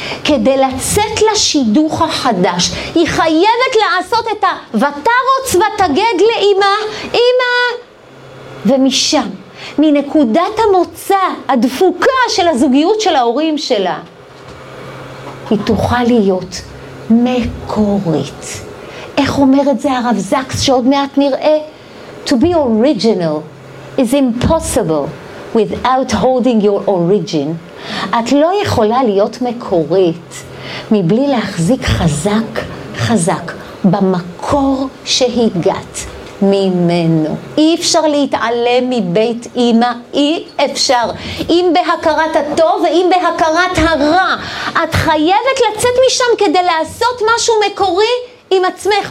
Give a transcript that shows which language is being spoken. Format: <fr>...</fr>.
<he>כדי לצאת לשידוך החדש, היא חייבת לעשות את ותרוץ ותגד לאימא, אימא! ומשם, מנקודת המוצא הדפוקה של הזוגיות של ההורים שלה, היא תוכל להיות מקורית. איך אומר את זה הרב זקס שעוד מעט נראה?</he> <en>To be original is impossible without holding your origin.</en> <he>את לא יכולה להיות מקורית מבלי להחזיק חזק חזק במקור שהגעת ממנו. אי אפשר להתעלם מבית אמא, אי אפשר. אם בהכרת הטוב ואם בהכרת הרע, את חייבת לצאת משם כדי לעשות משהו מקורי עם עצמך.</he>